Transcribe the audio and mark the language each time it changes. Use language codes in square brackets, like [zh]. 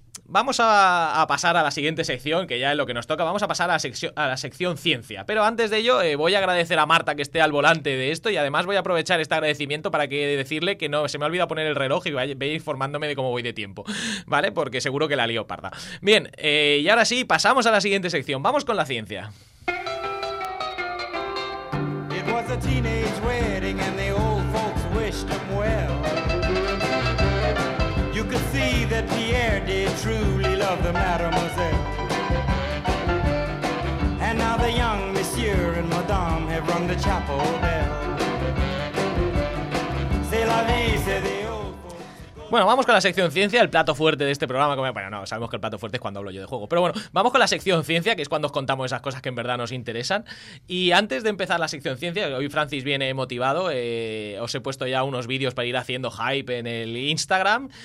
[es] Vamos a pasar a la siguiente sección, que ya es lo que nos toca. Vamos a pasar a la sección ciencia. Pero antes de ello, voy a agradecer a Marta que esté al volante de esto. Y además voy a aprovechar este agradecimiento para decirle que no se me ha olvidado poner el reloj y vaya informándome de cómo voy de tiempo. ¿Vale? Porque seguro que la lío parda. Bien, y ahora sí, pasamos a la siguiente sección. Vamos con la ciencia. [en] It was a teenage wedding and the old folks wished them well. You could see that Pierre did truly love the mademoiselle. And now the young monsieur and madame have rung the chapel bell. [fr] C'est la vie, [en] c'est the old. [es] Bueno, vamos con la sección ciencia, el plato fuerte de este programa. Bueno, no, sabemos que el plato fuerte es cuando hablo yo de juego. Pero bueno, vamos con la sección ciencia, que es cuando os contamos esas cosas que en verdad nos interesan. Y antes de empezar la sección ciencia, hoy Francis viene motivado. Os he puesto ya unos vídeos para ir haciendo hype en el Instagram.